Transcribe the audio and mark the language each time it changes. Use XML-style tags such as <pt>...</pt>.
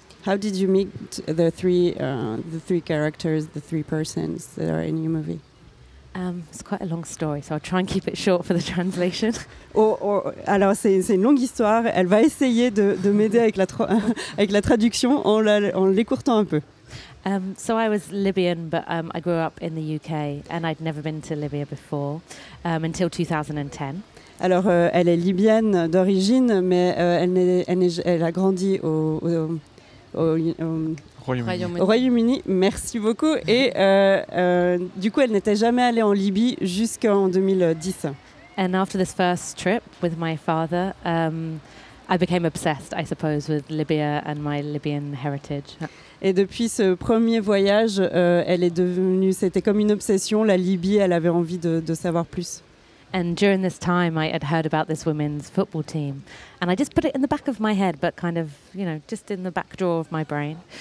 <en>How did you meet the three characters, the 3 persons that are in your movie? It's quite a long story, so I'll try and keep it short for the translation.</en> <fr>Alors c'est une longue histoire. Elle va essayer de m'aider avec la traduction en l'écourtant un peu.</fr> <en>So I was Libyan, but I grew up in the UK, and I'd never been to Libya before until 2010.</en> <fr>Alors elle est libyenne d'origine, mais elle a grandi au Royaume-Uni, merci beaucoup. Et du coup, elle n'était jamais allée en Libye jusqu'en 2010.</fr> <en>And after this first trip with my father, I became obsessed, I suppose, with Libya and my Libyan heritage.</en> <fr>Et depuis ce premier voyage, elle est devenue, c'était comme une obsession, la Libye, elle avait envie de savoir plus.</fr> <en>And during this time, I had heard about this women's football team. And I just put it in the back of my head, but kind of, you know, just in the back drawer of my brain.</en>